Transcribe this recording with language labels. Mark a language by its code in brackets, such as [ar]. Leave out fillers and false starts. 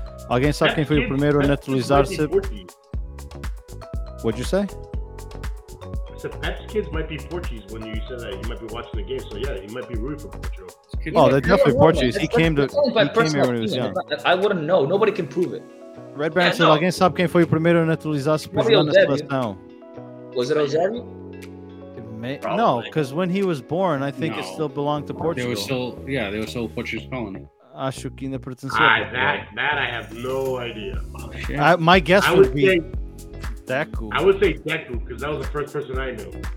[pt] Alguém sabe quem foi o primeiro a naturalizar-se? [en] What'd you say? Pep's kids might be Portuguese when you said that. He might be watching the game. So, yeah, he might be rooting for Portugal. Oh, they're definitely Portuguese. He came here when he was young. I wouldn't know. Nobody can prove it. Red Baron said, [pt] alguém sabe quem foi o primeiro a naturalizar-se por Jornal da Seleção? [en] Was it Ozeri? No, because when he was born, I think it still belonged to Portugal. They were still Portuguese colony. [pt] Acho que ainda pertence a Portugal. [en] That I have no idea. My guess would be Deku. I would say Deku because that was the first person I knew.